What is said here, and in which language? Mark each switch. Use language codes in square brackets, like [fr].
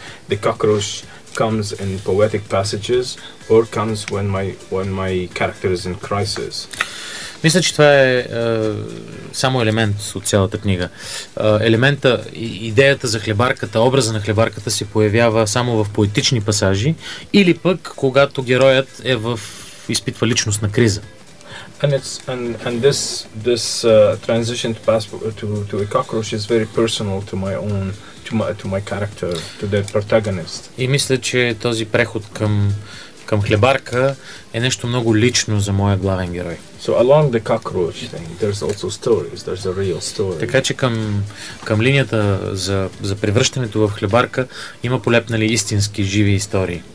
[en] The cockroach comes in poetic passages or comes when my character is in crisis. [bg] Мисля, че това е само елемент от цялата книга. Елемента, идеята за хлебарката, образа на хлебарката се появява само в поетични пасажи или пък когато героят е в изпитва личностна криза. [en] And this transition to a cockroach is very personal to my own to my character, to the protagonist. [bg] И мисля, че този преход към хлебарка е нещо много лично за моя главен герой. [en] So along the cockroach thing, there's also stories, there's a real story. [bg] Така че към линията за превръщането в хлебарка има полепнали истински живи истории.